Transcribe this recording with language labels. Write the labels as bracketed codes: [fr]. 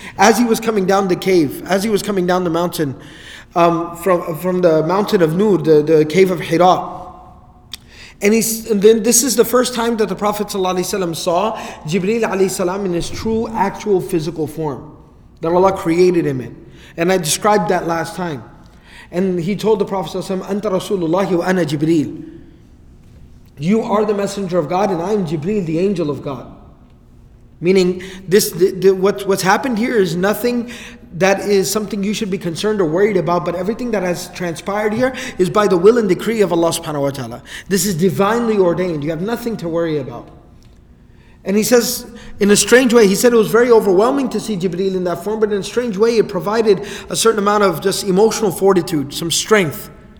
[en] As he was coming down the cave, as he was coming down the mountain, from the mountain of Nur, the cave of Hira. And then this is the first time that the Prophet ﷺ saw Jibreel alayhi salam in his true, actual physical form, that Allah created him in. And I described that last time. And he told the Prophet ﷺ, [ar] أنت رسول الله وأنا جبريل. [en] You are the messenger of God, and I am Jibreel, the angel of God. Meaning, what's happened here is nothing that is something you should be concerned or worried about, but everything that has transpired here is by the will and decree of Allah subhanahu wa ta'ala. This is divinely ordained. You have nothing to worry about. And he says, in a strange way, he said it was very overwhelming to see Jibreel in that form, but in a strange way, it provided a certain amount of just emotional fortitude, some strength.